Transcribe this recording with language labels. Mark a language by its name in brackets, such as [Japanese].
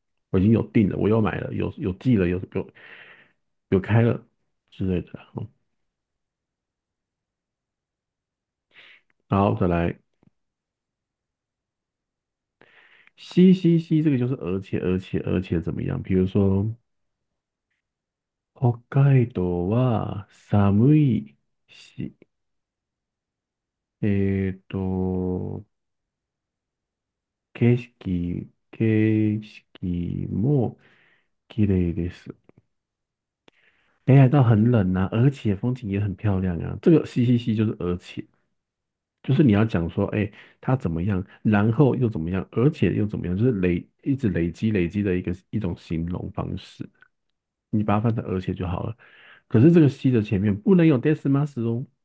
[Chinese] 我已经有订了，我又买了，有寄了，有开了之类的。好，再来，嘻嘻嘻，这个就是而且怎么样？比如说， [Japanese] 北海道は寒いし、景色も綺麗です。 [Chinese] 北海道很冷啊，而且风景也很漂亮啊。这个"嘻嘻嘻"就是"而且"，就是你要讲说，哎，它怎么样，然后又怎么样，而且又怎么样，就是一直累积的一种形容方式。你把它翻成"而且"就好了。可是这个"嘻"的前面不能有 des mas 哦。